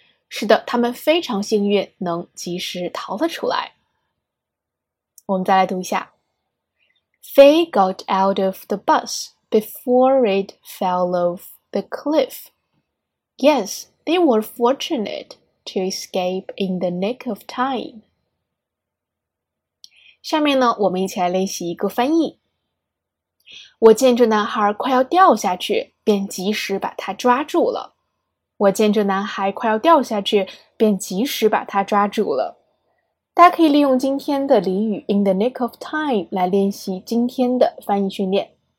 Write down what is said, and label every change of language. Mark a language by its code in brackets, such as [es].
[zh] 是的，他们非常幸运能及时逃了出来。我们再来读一下。 [en] They got out of the bus before it fell off the cliff. Yes, they were fortunate to escape in the nick of time. [zh] 下面呢，我们一起来练习一个翻译。我见着男孩快要掉下去，便及时把他抓住了。我见着男孩快要掉下去，便及时把他抓住了。大家可以利用今天的俚语 [en] in the nick of time [zh] 来练习今天的翻译训练。